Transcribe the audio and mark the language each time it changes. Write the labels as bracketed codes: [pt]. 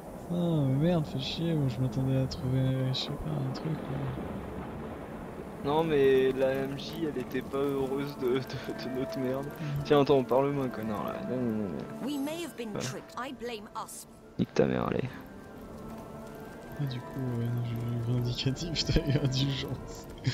[fr] Non, mais merde, fais chier, moi je m'attendais à trouver, je sais pas, un truc quoi. Non, mais la MJ elle était pas heureuse de notre merde. Tiens, attends, parle-moi, connard là. Non, non, non. [en] We may have been tricked, I blame us. [fr] Nique ta mère, allez. Et du coup, ouais, je suis vindicatif, t'as eu indulgence.